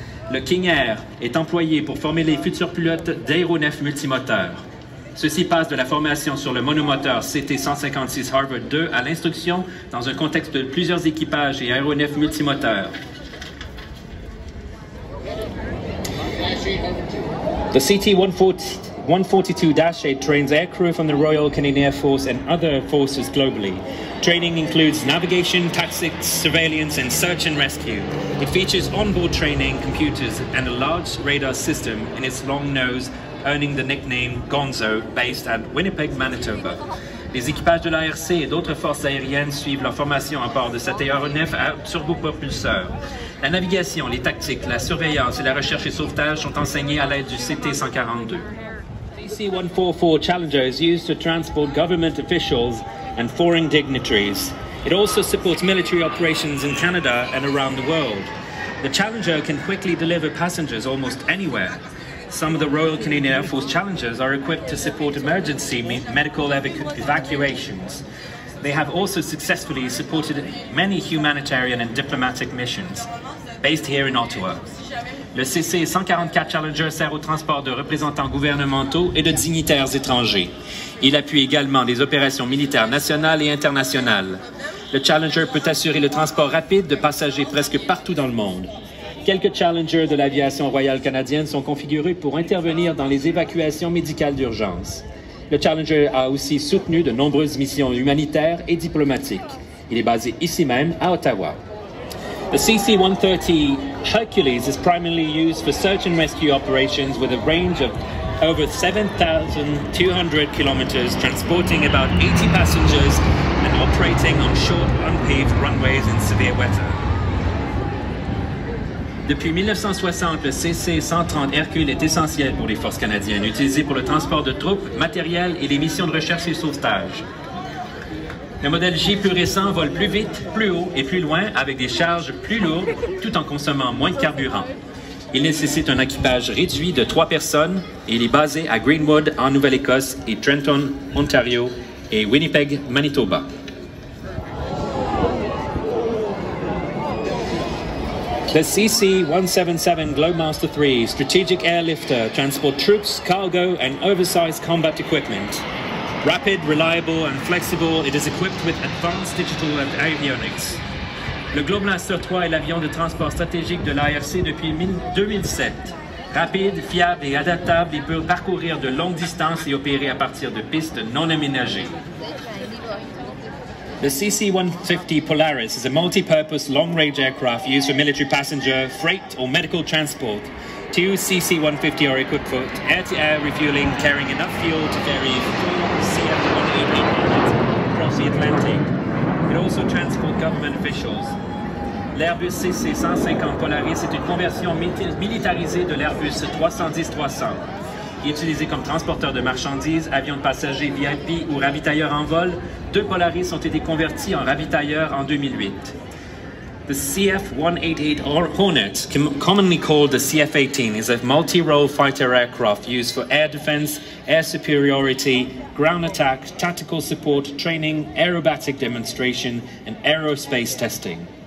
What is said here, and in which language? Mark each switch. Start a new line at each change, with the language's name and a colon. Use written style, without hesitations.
French: Le King Air est employé pour former les futurs pilotes d'aéronefs multimoteurs. Ceci passe de la formation sur le monomoteur CT-156 Harvard 2 à l'instruction dans un contexte de plusieurs équipages et aéronefs multimoteurs.
English: The CT-142-8 trains aircrew from the Royal Canadian Air Force and other forces globally. Training includes navigation, tactics, surveillance, and search and rescue. It features onboard training, computers, and a large radar system in its long nose, earning the nickname Gonzo, based at Winnipeg, Manitoba.
French: Les équipages de l'ARC et d'autres forces aériennes suivent leur formation à bord de cet aéronef à turbopropulseur. La navigation, les tactiques, la surveillance et la recherche et sauvetage sont enseignées à l'aide du CT-142.
English: CT-144 Challenger is used to transport government officials and foreign dignitaries. It also supports military operations in Canada and around the world. The Challenger can quickly deliver passengers almost anywhere. Some of the Royal Canadian Air Force Challengers are equipped to support emergency medical evacuations. They have also successfully supported many humanitarian and diplomatic missions, based here in Ottawa.
French: Le CC-144 Challenger sert au transport de représentants gouvernementaux et de dignitaires étrangers. Il appuie également des opérations militaires nationales et internationales. Le Challenger peut assurer le transport rapide de passagers presque partout dans le monde. Quelques Challengers de l'aviation royale canadienne sont configurés pour intervenir dans les évacuations médicales d'urgence. Le Challenger a aussi soutenu de nombreuses missions humanitaires et diplomatiques. Il est basé ici même, à Ottawa.
English: The CC-130 Hercules is primarily used for search and rescue operations with a range of over 7,200 kilometers, transporting about 80 passengers and operating on short, unpaved runways in severe weather.
French: Depuis 1960, le CC-130 Hercules est essentiel pour les forces canadiennes, utilisé pour le transport de troupes, matériel et les missions de recherche et sauvetage. Le modèle J plus récent vole plus vite, plus haut et plus loin avec des charges plus lourdes tout en consommant moins de carburant. Il nécessite un équipage réduit de 3 personnes et il est basé à Greenwood en Nouvelle-Écosse et Trenton, Ontario et Winnipeg, Manitoba.
English: The CC-177 Globemaster III Strategic Airlifter transports troops, cargo and oversized combat equipment. Rapid, reliable and flexible, it is equipped with advanced digital and avionics.
French: Le Globemaster III est l'avion de transport stratégique de l'ARC depuis 2007. Rapide, fiable et adaptable, il peut parcourir de longues distances et opérer à partir de pistes non aménagées.
English: The CC-150 Polaris is a multi-purpose long-range aircraft used for military passenger, freight or medical transport. Two CC-150 are equipped for air-to-air refueling, carrying enough fuel to ferry CF-188 across the Atlantic. It also transports government officials.
French: L'Airbus CC-150 Polaris est une conversion militarisée de l'Airbus 310-300. Utilisé comme transporteur de marchandises, avion de passagers VIP ou ravitailleur en vol, deux Polaris ont été convertis en ravitailleurs en 2008.
English: The CF-188 Hornet, commonly called the CF-18, is a multi-role fighter aircraft used for air defense, air superiority, ground attack, tactical support, training, aerobatic demonstration, and aerospace testing.